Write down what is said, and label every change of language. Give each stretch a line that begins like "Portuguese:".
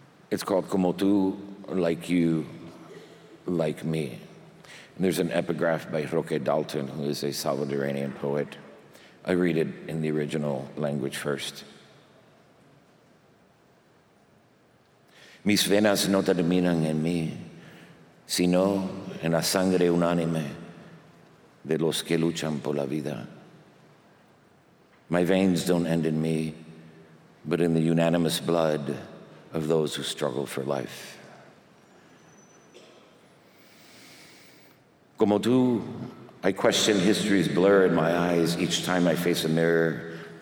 English: It's called Como Tú, Like You, Like Me. And there's an epigraph by Roque Dalton, who is a Salvadoranian poet. I read it in the original language first.
Spanish: Mis venas no terminan en mí, sino en la sangre unánime de los que luchan por la vida.
English: My veins don't end in me, but in the unanimous blood of those who struggle for life. Como tú, I question history's blur in my eyes each time I face a mirror.